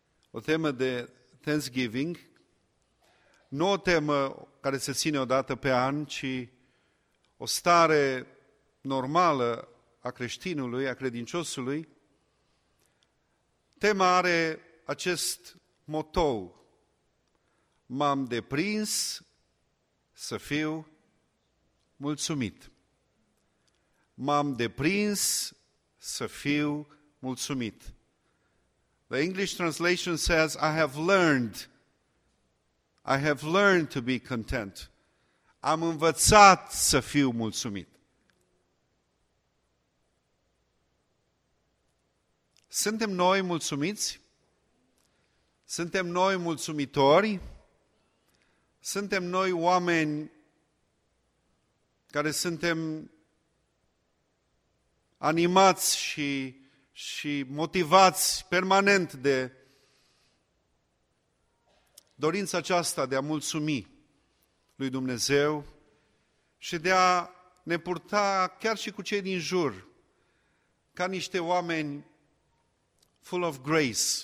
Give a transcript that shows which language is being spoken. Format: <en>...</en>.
<ro>o temă de Thanksgiving, nu o temă care se ține o dată pe an, ci o stare normală a creștinului, a credinciosului, tema are acest motou: m-am deprins să fiu mulțumit. M-am deprins să fiu mulțumit.</ro> <en>The English translation says, I have learned to be content.</en> <ro>Am învățat să fiu mulțumit. Suntem noi mulțumiți? Suntem noi mulțumitori? Suntem noi oameni care suntem animați și motivați permanent de dorința aceasta de a mulțumi lui Dumnezeu și de a ne purta chiar și cu cei din jur ca niște oameni</ro> <en>full of grace.</en>